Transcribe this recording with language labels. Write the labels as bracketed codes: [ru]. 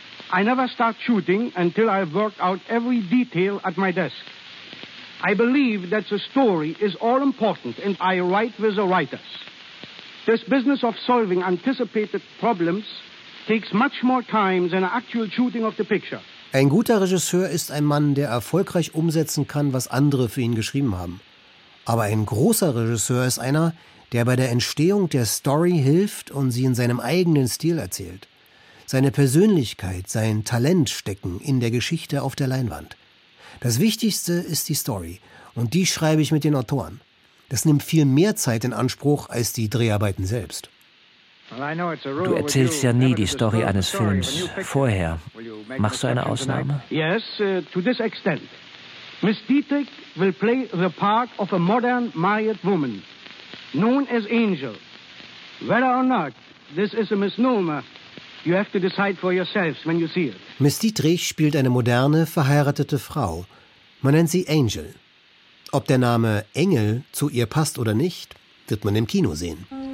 [en] I never start shooting until I've worked out every detail at my desk. I believe that the story is all important and I write with the writers. This business of solving anticipated problems takes much more time than an actual shooting of the picture. [de] Ein guter Regisseur ist ein Mann, der erfolgreich umsetzen kann, was andere für ihn geschrieben haben. Aber ein großer Regisseur ist einer, der bei der Entstehung der Story hilft und sie in seinem eigenen Stil erzählt. Seine Persönlichkeit, sein Talent stecken in der Geschichte auf der Leinwand. Das Wichtigste ist die Story und die schreibe ich mit den Autoren. Das nimmt viel mehr Zeit in Anspruch als die Dreharbeiten selbst. Du erzählst ja nie die Story eines Films vorher. Machst du eine Ausnahme? [en] Yes, to this extent. Miss Dietrich will play the part of a modern married woman, known as Angel. Whether or not this is a misnomer, you have to decide for yourselves when you see it. [de] Miss Dietrich spielt eine moderne, verheiratete Frau. Man nennt sie Angel. Ob der Name Engel zu ihr passt oder nicht, wird man im Kino sehen.